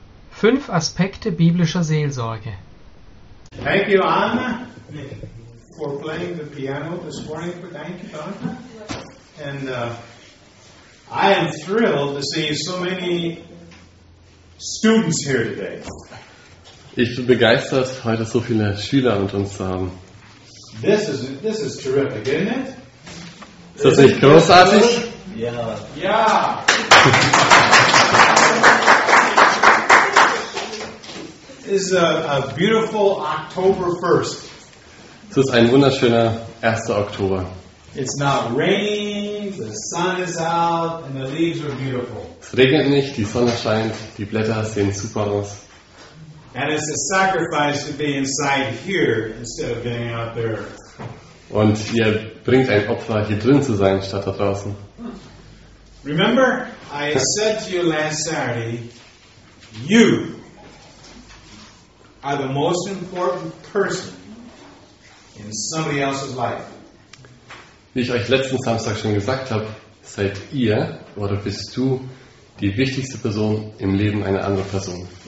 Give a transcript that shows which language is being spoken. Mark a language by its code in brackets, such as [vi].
[de] Fünf Aspekte biblischer Seelsorge. [en] Thank you, Anna, for playing the piano this morning. Thank you, Anna. And I am thrilled to see so many students here today. [de] Ich bin begeistert, heute so viele Schüler mit uns zu haben. [en] This is terrific, isn't it? [de] Ist das nicht großartig? Ja. Ja. [en] Is a beautiful October 1st. [de] Es ist ein wunderschöner 1. Oktober. [en] It's not raining, the sun is out, and the leaves are beautiful. [de] Es regnet nicht, die Sonne scheint, die Blätter sehen super aus. [en] And it's a sacrifice to be inside here instead of getting out there. [de] Und ihr bringt ein Opfer, hier drin zu sein, statt da draußen. [en] Remember, I said to you last Saturday, you are the most important person in somebody else's life. [de] Wie ich euch letzten Samstag schon gesagt habe, seid ihr oder bist du die wichtigste Person im Leben einer anderen Person.